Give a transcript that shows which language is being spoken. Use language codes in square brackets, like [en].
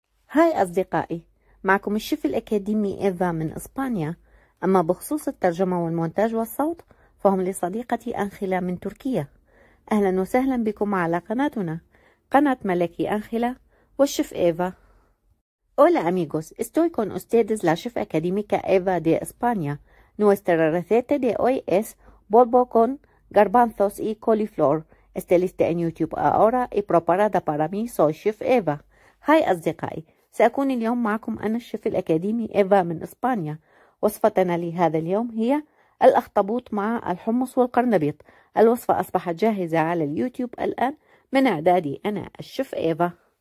[ar] هاي أصدقائي، معكم الشيف الأكاديمي إيفا من إسبانيا. أما بخصوص الترجمة والمونتاج والصوت فهم لصديقتي أنخلة من تركيا. أهلا وسهلا بكم على قناتنا، قناة ملكي أنخلة والشيف إيفا. [es] Hola amigos, estoy con ustedes la chef académica Eva de España. Nuestra receta de hoy es bolbo con garbanzos y coliflor. Está lista en YouTube ahora y preparada para mí. Soy chef Eva. [ar] هاي أصدقائي، سأكون اليوم معكم أنا الشيف الأكاديمي إيفا من إسبانيا. وصفتنا لهذا اليوم هي الأخطبوط مع الحمص والقرنبيط. الوصفة أصبحت جاهزة على اليوتيوب الآن من إعدادي أنا الشيف إيفا.